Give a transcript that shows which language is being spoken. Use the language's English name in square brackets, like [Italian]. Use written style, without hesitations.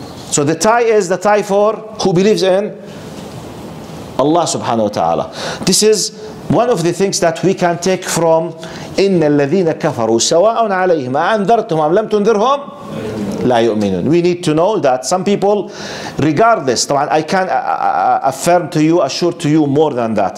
[English] So the tie is the tie for who believes in Allah subhanahu wa ta'ala. This is one of the things that we can take from [Arabic] إن الذين كفروا سواء عليهم أأنذرتهم أم لم تنذرهم لا يؤمنون. [English] We need to know that some people regard this. I can affirm to you, assure to you more than that.